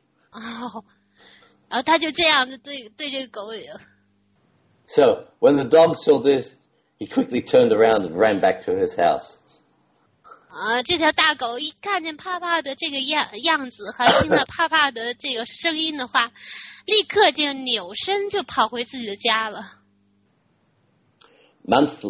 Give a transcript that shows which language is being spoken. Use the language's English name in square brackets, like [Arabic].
[Chinese] 然后他就这样对这个狗。So, [English] when the dog saw this, he quickly turned around and ran back to his house. [Chinese] 这条大狗一看见帕帕的这个样子和听到帕帕的这个声音的话, 立刻就扭身就跑回自己的家了。Months,